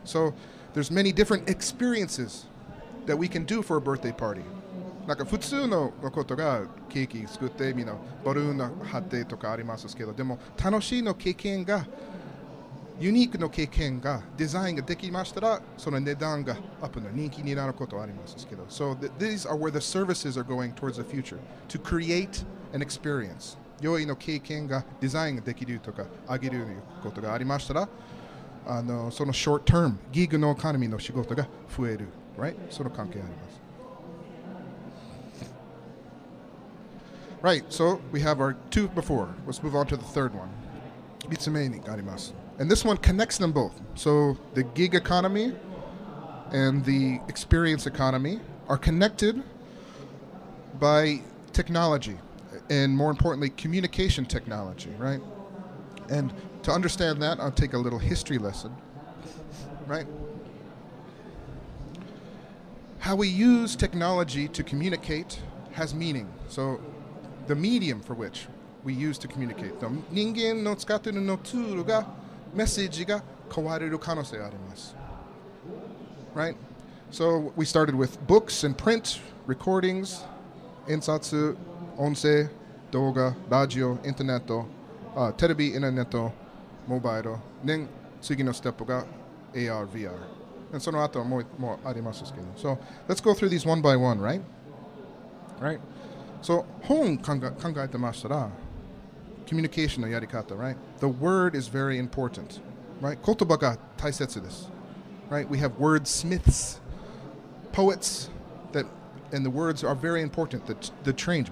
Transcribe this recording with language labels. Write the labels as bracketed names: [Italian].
[English] So, there's many different experiences that we can do for a birthday party. [Japanese] なんか普通のことがケーキ作って、みんなバルーン貼ってとかありますけど、でも楽しいの経験が、ユニークの経験がデザインができましたら、その値段がアップの人気になることありますけど。 [English] So these are where the services are going towards the future, to create an experience. [Japanese] 良いの経験がデザインができるとか、あげるということがありましたら、その short term, ギグのエコノミーの仕事が増える、 [English] right? [Japanese] その関係あります。 [English] Right, so we have our two before. Let's move on to the third one. [Japanese] 3つ目にあります。 [English] And this one connects them both. So the gig economy and the experience economy are connected by technology and more importantly, communication technology, right? And to understand that, I'll take a little history lesson, right? How we use technology to communicate has meaning. So the medium for which we use to communicate them. [Japanese] 人間の使っているのツールが、メッセージが変われる可能性があります。 [English] Right? So we started with books and print, recordings, [Japanese] 印刷、音声、動画、ラジオ、インターネット、テレビ、インターネット、モバイル、で、次のステップが AR、VR。 [English] And [Japanese] その後はもうありますけど。 [English] So let's go through these one by one, right? Right? [Japanese] So 本考えてましたら、communication のやり方, [English] right? The word is very important, right? [Japanese] 言葉が大切です, [English] right? We have wordsmiths, poets, that, and the words are very important, the change.